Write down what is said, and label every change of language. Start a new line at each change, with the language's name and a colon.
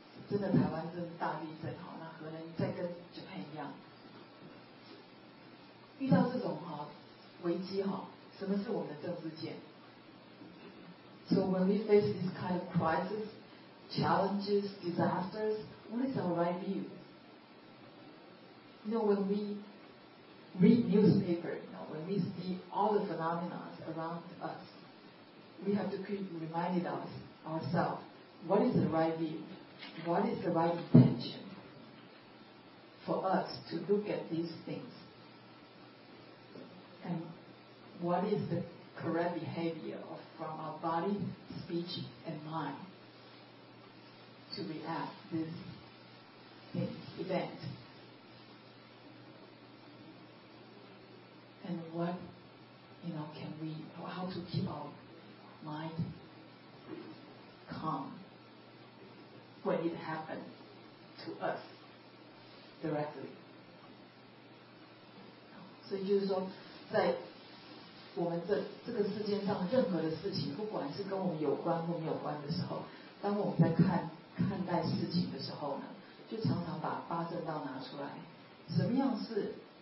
Chinese: 那万一真的台湾真的大地震， 那可能再跟 Japan 一样， 遇到这种危机， 什么是我们的政治见？
English: So when we face this kind of crisis, challenges, disasters, what is our right view? When we read newspaper, when we see all the phenomena around us, we have to keep reminding ourselves, what is the right view? What is the right intention for us to look at these things? And what is the correct behavior from our body, speech, and mind to react to this event? And what, can we, how to keep our mind calm when it happens to us directly?
Chinese: So, 就是说，在我们这个世界上任何的事情，不管是跟我们有关或没有关的时候，当我们在看待事情的时候呢，就常常把八正道拿出来，什么样是？